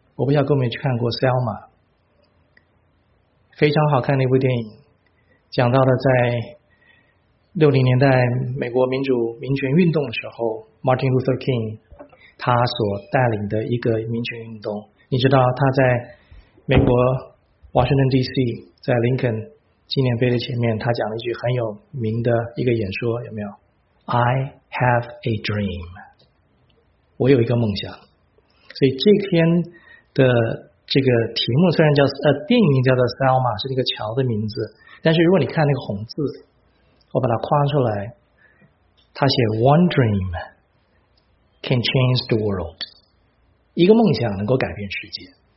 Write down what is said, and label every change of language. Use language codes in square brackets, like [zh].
[zh] 我不知道各位去看过 Selma， 非常好看的一部电影，讲到了在60年代美国民主民权运动的时候， Martin Luther King 他所带领的一个民权运动。你知道他在美国 Washington DC 在林肯纪念碑的前面，他讲了一句很有名的一个演说，有没有？ [en] I have a dream， [zh] 我有一个梦想。所以这篇的这个题目虽然叫电影名叫做 Selma， 是那个桥的名字，但是如果你看那个红字，我把它框出来，他写 [en] One dream can change the world， [zh] 一个梦想能够改变世界。